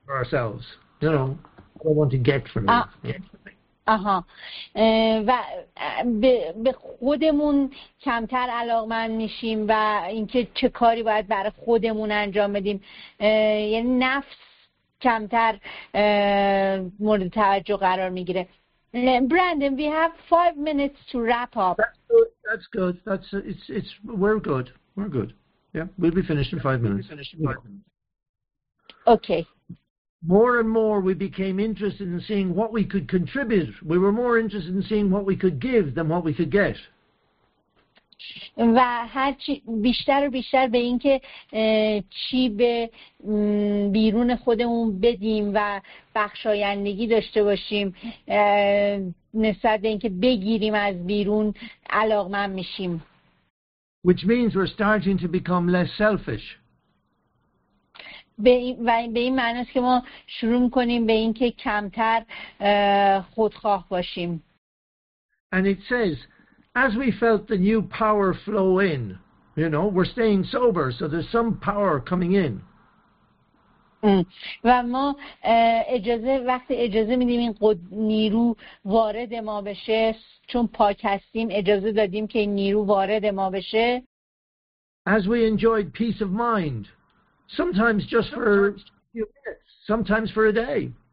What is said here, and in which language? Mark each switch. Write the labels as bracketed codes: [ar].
[en] Ourselves, you know, I want to get from it. [fa] آها، و به خودمون کمتر علاقمند میشیم و اینکه چه کاری باید برای خودمون انجام بدیم. یعنی نفس کمتر مورد توجه قرار میگیره. [en] Brandon, we have 5 minutes to wrap up. That's good. That's it's we're good. We're good. Yeah, we'll be finished in 5 minutes. Okay. More and more we became interested in seeing what we could contribute. We were more interested in seeing what we could give than what we could get. [fa] و هر چی بیشتر و بیشتر به اینکه چی به بیرون خودمون بدیم و بخشایندگی داشته باشیم نسبت به اینکه بگیریم از بیرون علاقمند میشیم. [en] Which means we're starting to become less selfish. [fa] به این معنی که ما شروع کنیم به اینکه کمتر خودخواه باشیم. [en] And it says, as we felt the new power flow in, you know, we're staying sober, so there's some power coming in. [fa] و ما وقتی اجازه میدیم این نیرو وارد ما بشه، چون پاک هستیم اجازه دادیم که این نیرو وارد ما بشه. [en] As we enjoyed peace of mind. Sometimes just for a few minutes, sometimes for a day.